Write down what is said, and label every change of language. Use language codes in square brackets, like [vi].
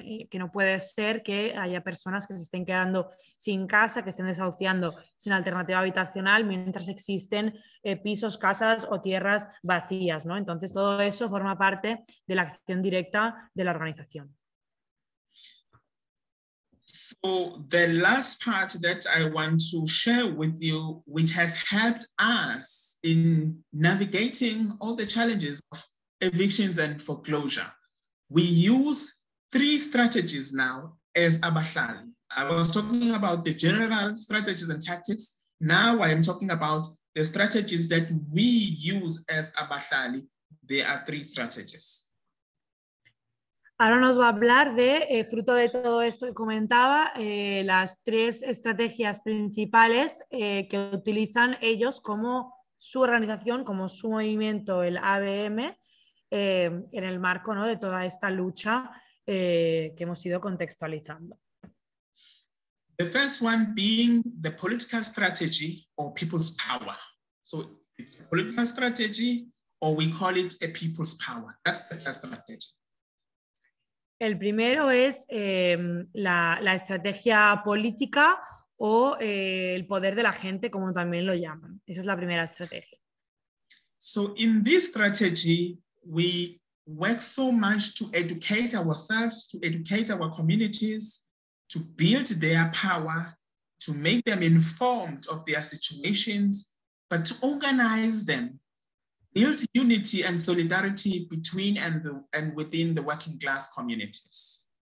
[es] Que no puede ser que haya personas que se estén quedando sin casa, que estén desahuciando sin alternativa habitacional mientras existen pisos, casas o tierras vacías, ¿no? Entonces todo eso forma parte de la acción directa de la organización. [en] So the last part that I want to share with you, which has helped us in navigating all the challenges of evictions and foreclosure. We use three strategies now as abahlali. I was talking about the general strategies and tactics. Now I am talking about the strategies that we use as abahlali. There are three strategies. [es] Ahora nos va a hablar de, fruto de todo esto que comentaba, las tres estrategias principales que utilizan ellos como su organización, como su movimiento, el ABM, en el marco, ¿no?, de toda esta lucha que hemos ido contextualizando. [en] The first one being the political strategy or people's power. So it's a political strategy or we call it a people's power. That's the first strategy. [es] El primero es la estrategia política o el poder de la gente, como también lo llaman. Esa es la primera estrategia. [en] So in this strategy, we work so much to educate ourselves, to educate our communities, to build their power, to make them informed of their situations, but to organize them, build unity and solidarity between and within the working class communities.